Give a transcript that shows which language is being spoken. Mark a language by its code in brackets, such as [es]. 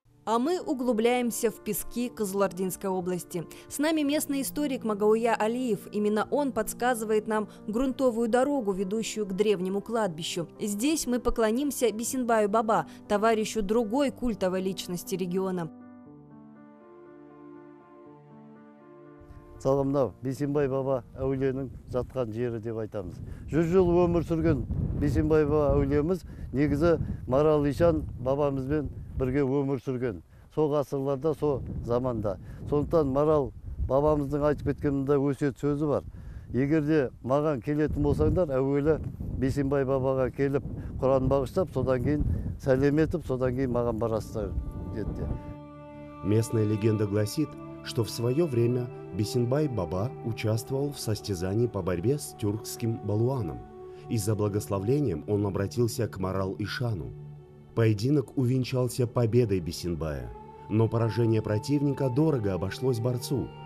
[ru] А мы углубляемся в пески Кызылординской области. С нами местный историк Магауя Алиев. Именно он подсказывает нам грунтовую дорогу, ведущую к древнему кладбищу. Здесь мы поклонимся Бисенбаю Баба, товарищу другой культовой личности региона. [kk] Саламнау, Бисенбай Баба әулиенің жатқан жері деп айтамыз. 100 жыл өмір сүрген Бисенбай Баба әулиеміз негізі Марал Ишан бабамызбен бірге өмір сүрген. Со ғасырларда, со заманда. Сондықтан Марал бабамыздың айтып кеткенінде өсиет сөзі бар. Егер де маған келетін болсаңдар, әуелі Бисенбай Бабаға келіп, Құран бағыштап, содан кейін сәлем етіп, содан кейін маған барасыздар деді. [ru] Местная легенда гласит, что в свое время Бисенбай Баба участвовал в состязании по борьбе с тюркским балуаном. И за благословением он обратился к Марал Ишану. Поединок увенчался победой Бисенбая. Но поражение противника дорого обошлось борцу.